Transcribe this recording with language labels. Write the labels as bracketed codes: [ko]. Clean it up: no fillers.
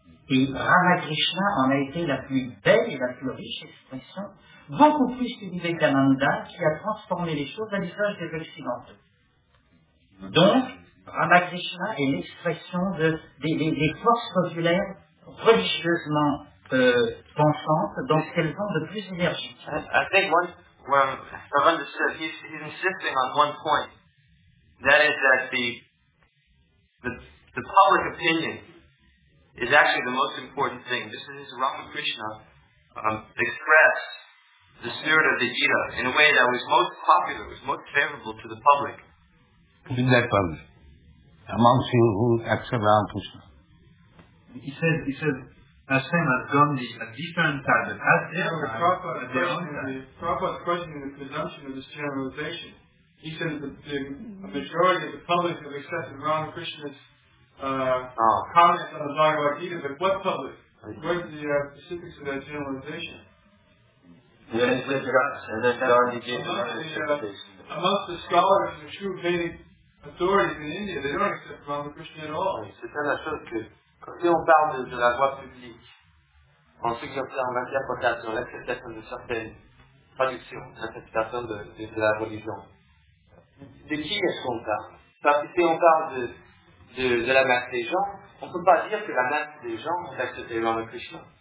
[fr] Et Ramakrishna en a été la plus belle et la plus riche expression, beaucoup plus que Vivekananda, qui a transformé les choses à l'usage des occidentaux. Donc, Ramakrishna est l'expression des forces populaires religieusement pensantes, dont elles ont de plus énergie. [en] He's insisting on one point. That is that the public opinion is actually the most important thing. This is Ramakrishna expressed the spirit of the Gita in a way that was most popular, was most favorable to the public. Who did that public? Amongst you who accept Ramakrishna. He said, as same as Gandhi, at different times, but at their time, Prabhupada's question is the presumption of this generalization. He said that the majority of the public have accepted Ramakrishna's comments on the Bhagavad Gita, but what public? What are the specifics of that generalization? Amongst the scholars and the true Vedic authorities in India, they don't accept Ramakrishna at all. [fr] Quand on parle de la voie publique, en ce qui concerne l'interprétation, l'acceptation de certaines traductions, l'interprétation de la religion, de qui est-ce qu'on parle? Parce que si on parle de la masse des gens, on ne peut pas dire que la masse des gens ont accepté Ramakrishna.